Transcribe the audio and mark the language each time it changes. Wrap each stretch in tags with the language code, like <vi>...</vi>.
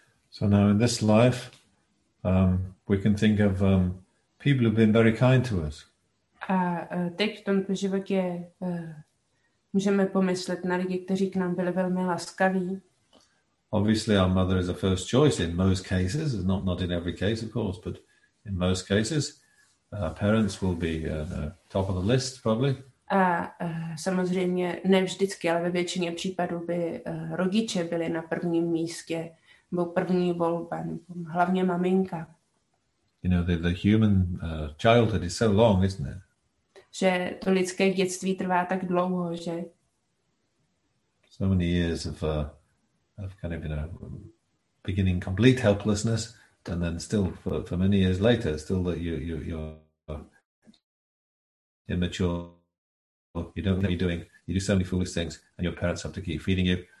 <en>So now in this life, we can think of people who've been very kind to us.</en> <cs>A teď v tomto životě můžeme pomyslet na lidi, kteří k nám byli velmi laskaví.</cs> <en>Obviously, our mother is a first choice in most cases, not in every case, of course, but in most cases, our parents will be top of the list, probably.</en> <cs>A samozřejmě ne vždycky, ale ve většině případů by rodiče byli na prvním místě. Byl první volba, hlavně maminka.</cs> <en>You know, the human childhood is so long, isn't it?</en> <cs>Že to lidské dětství trvá tak dlouho, že?</cs> <en>So many years of kind of, you know, beginning complete helplessness, and then still for many years later, still that you're immature, you don't know what you're doing, you do so many foolish things, and your parents have to keep feeding you.</en>